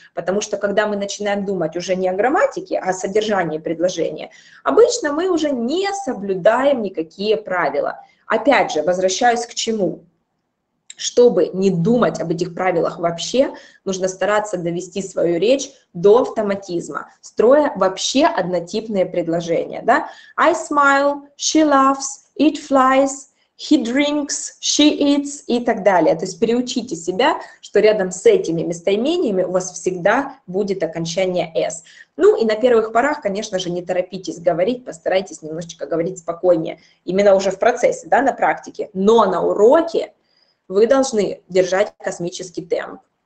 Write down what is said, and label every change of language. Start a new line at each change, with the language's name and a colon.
Russian: Потому что когда мы начинаем думать уже не о грамматике, а о содержании предложения, обычно мы уже не соблюдаем никакие правила. Опять же, возвращаюсь к чему? Чтобы не думать об этих правилах вообще, нужно стараться довести свою речь до автоматизма, строя вообще однотипные предложения. Да?
English: I smile, she laughs, it flies, he drinks, she eats
Russian: и так далее. То есть приучите себя, что рядом с этими местоимениями у вас всегда будет окончание s. Ну и на первых порах, конечно же, не торопитесь говорить, постарайтесь немножечко говорить спокойнее, именно уже в процессе, да, на практике, но на уроке вы должны держать космический темп.